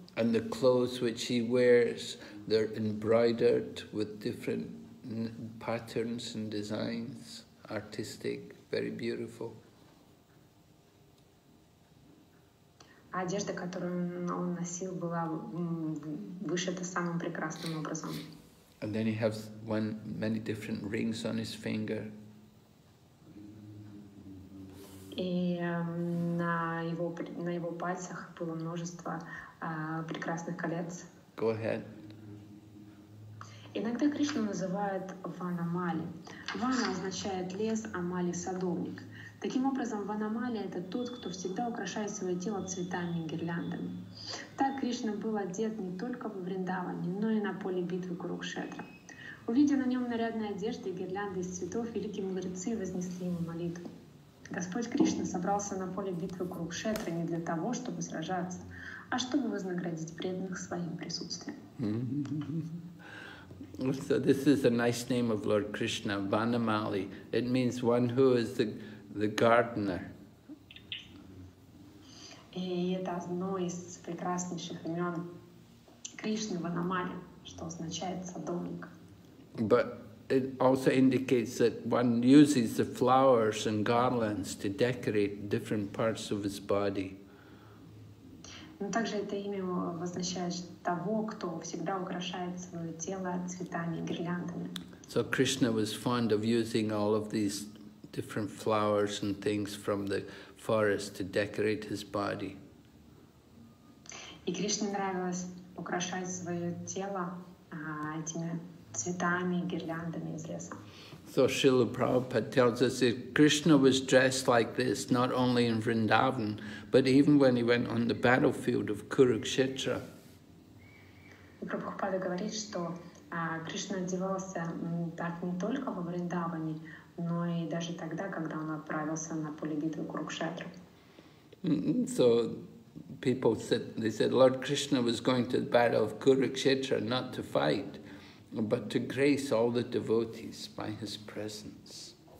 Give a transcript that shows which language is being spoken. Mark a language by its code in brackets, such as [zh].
[en] And the clothes which he wears, they're embroidered with different patterns and designs, artistic, very beautiful. [ru] Одежда, которую он носил, была вышита самым прекрасным образом. [en] And then he has many different rings on his finger. [ru] И на его пальцах было множество прекрасных колец. [en] Go ahead. [ru] Иногда Кришну называют Ванамали. Вана означает лес, а Мали — садовник. Таким образом, Ванамали — это тот, кто всегда украшает свое тело цветами и гирляндами. Так Кришна был одет не только во Вриндаване, но и на поле битвы Курукшетра. Увидев на нем нарядные одежды и гирлянды из цветов, великие мудрецы вознесли ему молитву. Господь Кришна собрался на поле битвы Курукшетра не для того, чтобы сражаться, а чтобы вознаградить преданных своим присутствием. [en] So this is a nice name of Lord Krishna, Vanamali. It means one who is the gardener. [ru] И это одно из прекраснейших имен Кришны, Ванамали, что означает садовник. [en] But it also indicates that one uses the flowers and garlands to decorate different parts of his body. [ru] Но также это имя обозначает того, кто всегда украшает свое тело цветами и гирляндами. [en] So Krishna was fond of using all of these different flowers and things from the forest to decorate his body. [ru] И Кришне нравилось украшать свое тело этими цветами и гирляндами из леса. [en] So Srila Prabhupada tells us that Krishna was dressed like this not only in Vrindavan, but even when he went on the battlefield of Kurukshetra. [ru] Prabhupada говорит, что Кришна одевался так не только во Вриндаване, но и даже тогда, когда он отправился на поле битвы Курукшетра. [en] So people said, they said Lord Krishna was going to the battle of Kurukshetra not to fight, but to grace all the devotees by his presence.